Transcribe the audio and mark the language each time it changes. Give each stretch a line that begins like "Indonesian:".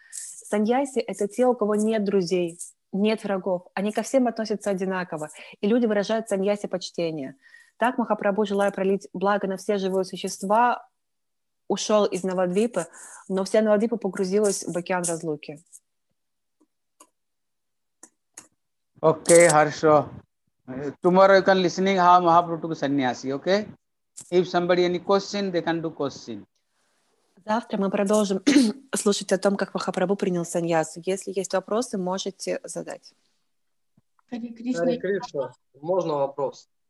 Russian: Саньяси — это те, у кого нет друзей, нет врагов. Они ко всем относятся одинаково, и люди выражают саньяси почтение. Так Махапрабху, желая пролить благо на все живые существа, ушел из Навадвипы, но вся Навадвипа погрузилась в океан разлуки. Окей, хорошо.
English: Tomorrow you can listening how Mahaprabhu took sannyasi, okay? If somebody any question, they can do question.
Russian: Завтра мы продолжим слушать о том, как Махапрабху принял саньясу. Если есть вопросы, можете задать. Хари Кришна. Хари Кришна, можно вопрос?